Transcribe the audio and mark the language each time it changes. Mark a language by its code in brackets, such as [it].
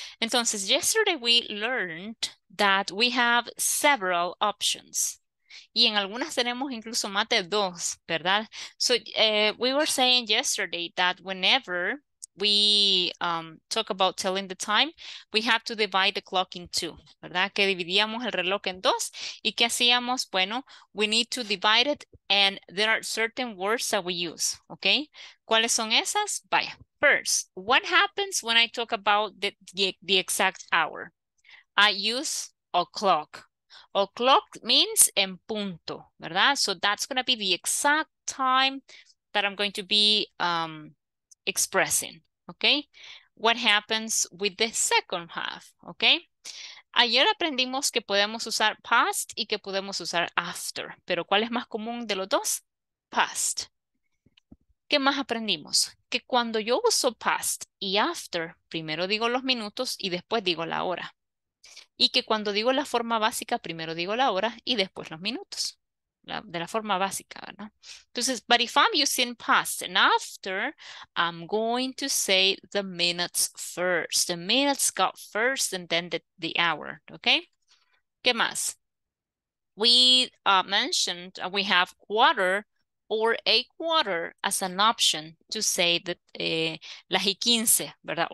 [en] Entonces, yesterday we learned that we have several options. [es] Y en algunas tenemos incluso más de dos, ¿verdad? [en] So we were saying yesterday that whenever we talk about telling the time, we have to divide the clock in two, ¿verdad? [es] Que dividíamos el reloj en dos. ¿Y qué hacíamos? Bueno, [en] we need to divide it and there are certain words that we use, ¿okay? [es] ¿Cuáles son esas? [en] Vaya, first, what happens when I talk about the exact hour? I use a clock. O'clock means [es] en punto, [en] ¿verdad? So that's going to be the exact time that I'm going to be expressing, okay? What happens with the second half, okay? [es] Ayer aprendimos que podemos usar past y que podemos usar after, pero ¿cuál es más común de los dos? Past. ¿Qué más aprendimos? Que cuando yo uso past y after, primero digo los minutos y después digo la hora. Y que cuando digo la forma básica, primero digo la hora y después los minutos. De la forma básica, ¿verdad? [en] Entonces, but if I'm using past and after, I'm going to say the minutes first. The minutes got first and then the hour, okay? [es] ¿Qué más? [en] We mentioned we have quarter or a quarter as an option to say that [es] las y 15, ¿verdad?